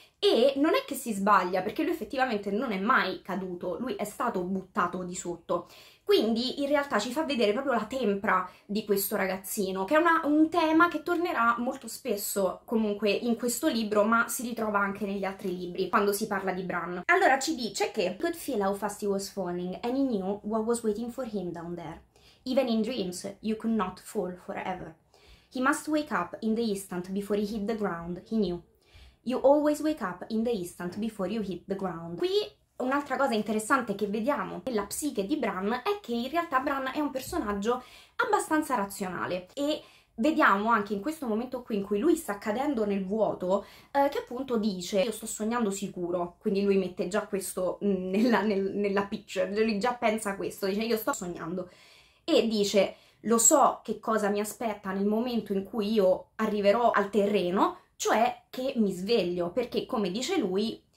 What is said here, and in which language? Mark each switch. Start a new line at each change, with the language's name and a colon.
Italian: E non è che si sbaglia, perché lui effettivamente non è mai caduto, lui è stato buttato di sotto. Quindi in realtà ci fa vedere proprio la tempra di questo ragazzino, che è un tema che tornerà molto spesso comunque in questo libro, ma si ritrova anche negli altri libri, quando si parla di Bran. Allora ci dice che
English: "He could feel how fast he was falling, and he knew what was waiting for him down there. Even in dreams, you could not fall forever. He must wake up in the instant before he hit the ground, he knew. You always wake up in the instant before you hit the ground."
Italian: Qui un'altra cosa interessante che vediamo nella psiche di Bran è che in realtà Bran è un personaggio abbastanza razionale e vediamo anche in questo momento qui in cui lui sta cadendo nel vuoto, che appunto dice "Io sto sognando sicuro", quindi lui mette già questo nella picture, lui già pensa questo, dice "Io sto sognando" e dice "Lo so che cosa mi aspetta nel momento in cui io arriverò al terreno, cioè che mi sveglio", perché come dice lui